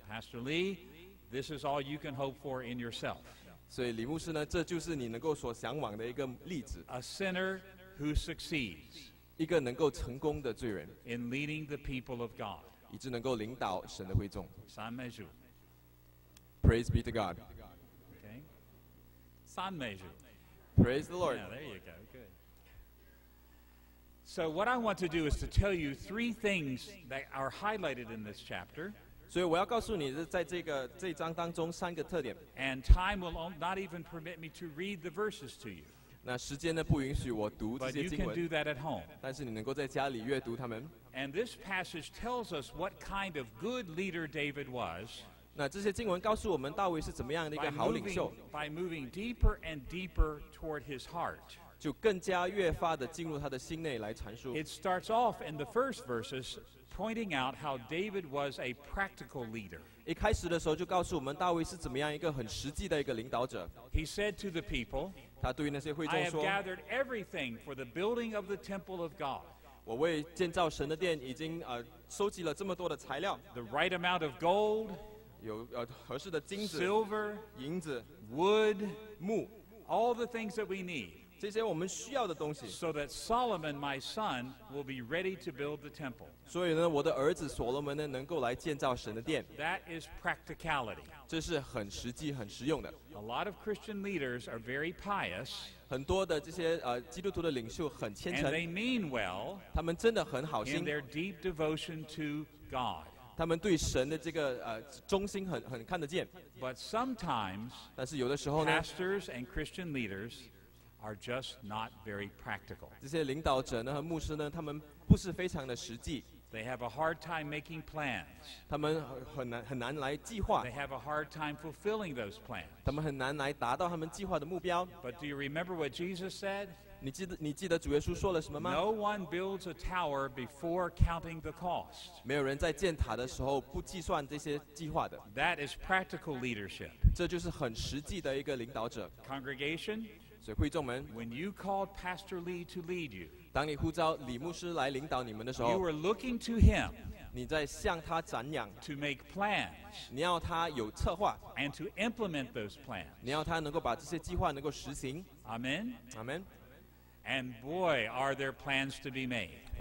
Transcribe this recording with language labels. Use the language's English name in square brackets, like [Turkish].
[English] Pastor Lee, this is all you can hope for in yourself. [Chinese] 所以李牧师呢，这就是你能够所向往的一个例子。 [English] A sinner who succeeds. [Chinese] 一个能够成功的罪人。 [English] In leading the people of God. [Chinese] 以致能够领导神的会众。三美主。 [English] Praise be to God. [Chinese] Okay. 三美主。 [English] Praise the Lord. Yeah, there you go. So what I want to do is to tell you three things that are highlighted in this chapter. [Chinese] 所以我要告诉你在这个这章当中三个特点。 [English] And time will not even permit me to read the verses to you. [Chinese] 那时间呢不允许我读这些经文。 [English] But you can do that at home. [Chinese] 但是你能够在家里阅读它们。 [English] And this passage tells us what kind of good leader David was. [Chinese] 那这些经文告诉我们大卫是怎么样的一个好领袖。 [English] By moving deeper and deeper toward his heart. [Chinese] 就更加越发地进入他的心内来阐述。 [English] It starts off in the first verses pointing out how David was a practical leader. [Chinese] 一开始的时候就告诉我们大卫是怎么样一个很实际的一个领导者。 [English] He said to the people, [Chinese] 他对于那些会众说, [English] I have gathered everything for the building of the temple of God. [Chinese] 我为建造神的殿已经, 收集了这么多的材料。 [English] The right amount of gold, [Chinese] 有合适的金子, [English] silver, [Chinese] 银子, [English] wood, [Chinese] 木, [English] all the things that we need. [Chinese] 这些我们需要的东西, [English] so that Solomon, my son, will be ready to build the temple. [Chinese] 所以呢, [English] that is practicality. [Chinese] 这是很实际很实用的。 [English] A lot of Christian leaders are very pious. [Chinese] 很多的这些, 基督徒的领袖很虔诚, [English] and they mean well. [Chinese] 他们真的很好心, [English] in their deep devotion to God. [Chinese] 他们对神的这个, 忠心很看得见, [English] but sometimes [Chinese] 但是有的时候呢, [English] pastors and Christian leaders are just not very practical. [Chinese] 这些领导者呢, 和牧师呢, 他们不是非常的实际, [English] they have a hard time making plans. [Chinese] 他们很难来计划, [English] they have a hard time fulfilling those plans. [Chinese] 他们很难来达到他们计划的目标, [English] but do you remember what Jesus said? [Chinese] 你记得主耶稣说了什么吗? [English] No one builds a tower before counting the cost. [Chinese] 没有人在建塔的时候不计算这些计划的。 [English] That is practical leadership. [Chinese] 这就是很实际的一个领导者。 [English] Congregation, [Chinese] 所以会众们, [English] when you called Pastor Lee to lead you, [Chinese] 当你呼召李牧师来领导你们的时候, [English] you were looking to him, [Chinese] 你在向他展仰, [English] to make plans, [Chinese] 你要他有策划, [English] and to implement those plans. [Chinese] 你要他能够把这些计划能够实行。 [English] Amen. Amen. And boy, are there plans to be made.